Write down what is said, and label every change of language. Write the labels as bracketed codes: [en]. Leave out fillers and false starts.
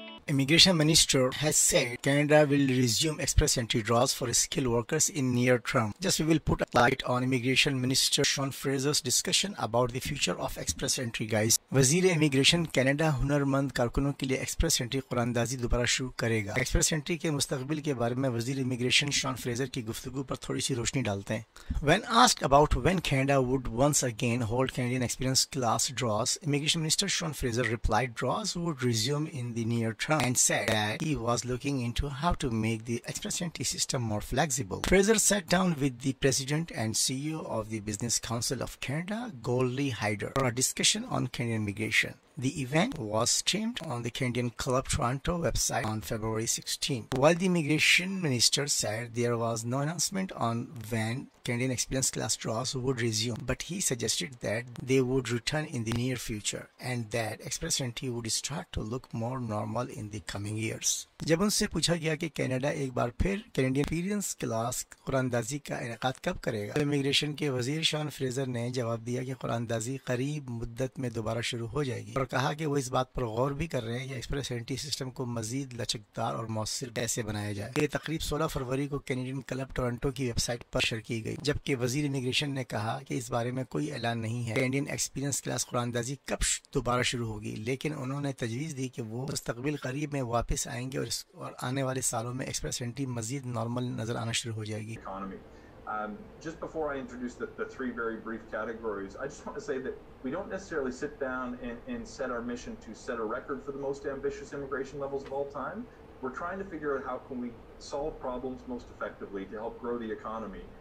[en] Immigration Minister has said Canada will resume express entry draws for skilled workers in near term. Just we will put a light on Immigration Minister Sean Fraser's discussion about the future of express entry, guys. [ur] وزیر immigration Canada ہنرمند کارکنوں کے لیے express entry قرآن دازی دوبارہ شروع کرے گا. Express entry کے مستقبل کے بارے میں وزیر امیگریشن شان فریزر کی گفتگو پر تھوڑی سی روشنی ڈالتے ہیں. [en] When asked about when Canada would once again hold Canadian experience class draws, Immigration Minister Sean Fraser replied draws would resume in the near term and said that he was looking into how to make the express entry system more flexible. Fraser sat down with the President and CEO of the Business Council of Canada, Goldie Hyder, for a discussion on Canadian immigration. The event was streamed on the Canadian Club Toronto website on February 16. While the immigration minister said there was no announcement on when Canadian experience class draws would resume, but he suggested that they would return in the near future and that express entry would start to look more normal in the coming years. [ur] جب ان سے پوچھا گیا کہ Canada ایک بار پھر Canadian experience class قرآن دازی کا انعقاد کب کرے گا، امیگریشن کے وزیر شان فریزر نے جواب دیا کہ قرآن دازی قریب مدت میں دوبارہ شروع ہو جائے گی اور کہا کہ وہ اس بات پر غور بھی کر رہے ہیں کہ ایکسپریس انٹری سسٹم کو مزید لچکدار اور مؤثر کیسے بنایا جائے. یہ تقریب 16 فروری کو کینیڈین کلب ٹورنٹو کی ویب سائٹ پر شیئر کی گئی، جبکہ وزیر امیگریشن نے کہا کہ اس بارے میں کوئی اعلان نہیں ہے کینیڈین ایکسپیرینس کلاس قرآن دازی کب دوبارہ شروع ہوگی، لیکن انہوں نے تجویز دی کہ وہ مستقبل قریب میں واپس آئیں گے اور آنے والے سالوں میں ایکسپریس انٹری مزید نارمل نظر آنا شروع ہو جائے گی. [en] Just before I introduce the three very brief categories, I just want to say that we don't necessarily sit down and set our mission to set a record for the most ambitious immigration levels of all time. We're trying to figure out how can we solve problems most effectively to help grow the economy.